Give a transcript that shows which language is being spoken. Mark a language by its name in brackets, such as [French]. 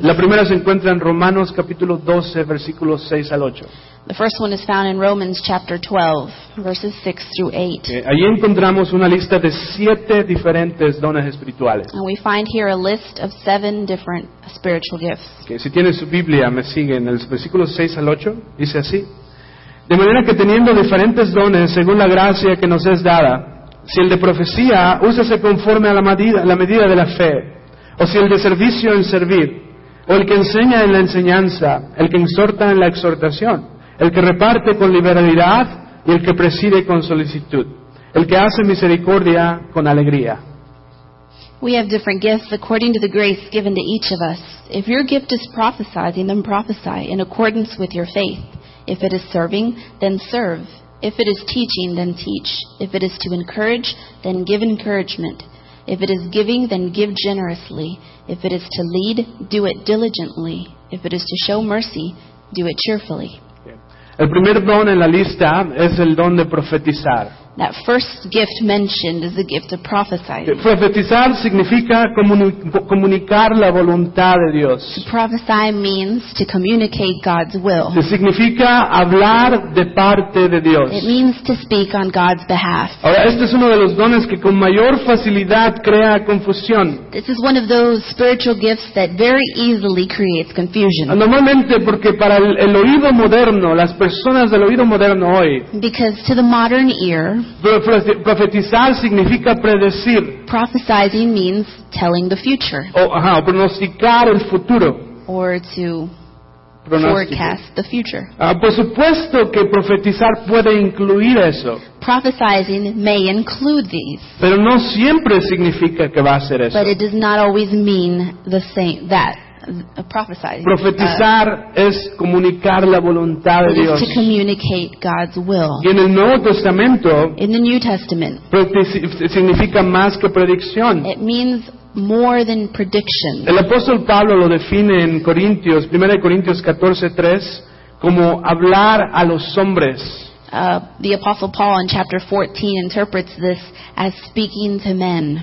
[Spanish] La primera se encuentra en Romanos capítulo 12, versículos 6 al 8. [English] The first one is found in Romans chapter 12, verses 6 through 8. [Spanish] Okay. Allí encontramos una lista de siete diferentes dones espirituales. [English] And we find here a list of seven different spiritual gifts. [Spanish] Okay, si tienes su Biblia, me sigue en el versículo 6 al 8, dice así. De manera que teniendo diferentes dones según la gracia que nos es dada, si el de profecía, úsese conforme a la medida de la fe, o si el de servicio en servir, o el que enseña en la enseñanza, el que exhorta en la exhortación, el que reparte con liberalidad y el que preside con solicitud, el que hace misericordia con alegría. [English] We have different gifts according to the grace given to each of us. If your gift is prophesying, then prophesy in accordance with your faith. If it is serving, then serve. If it is teaching, then teach. If it is to encourage, then give encouragement. If it is giving, then give generously. If it is to lead, do it diligently. If it is to show mercy, do it cheerfully. [Spanish] El primer don en la lista es el don de profetizar. [English] That first gift mentioned is the gift of prophesying. [Spanish] Profetizar significa comunicar la voluntad de Dios. [English] To prophesy means to communicate God's will. [Spanish] Significa hablar de parte de Dios. [English] It means to speak on God's behalf. [Spanish] Ahora, este es uno de los dones que con mayor facilidad crea confusión. [English] This is one of those spiritual gifts that very easily creates confusion. [Spanish] Normalmente, porque para el oído moderno, las personas del oído moderno hoy. [English] Because to the modern ear. [Spanish] Profetizar significa predecir. [English] Prophesizing means telling the future. [Spanish] O pronosticar el futuro. [English] Or to forecast the future. [Spanish] Por supuesto que profetizar puede incluir eso. [English] Prophesizing may include these. [Spanish] Pero no siempre significa que va a ser eso. [English] But it does not always mean the same that. [Spanish] Profetizar es comunicar la voluntad de Dios. [English] To communicate God's will. [Spanish] Y en el Nuevo Testamento, [English] in the New Testament, [Spanish] significa más que predicción. [English] It means more than prediction. [Spanish] El apóstol Pablo lo define en Corintios, 1 Corintios 14:3, como hablar a los hombres. [English] The Apostle Paul in chapter 14 interprets this as speaking to men.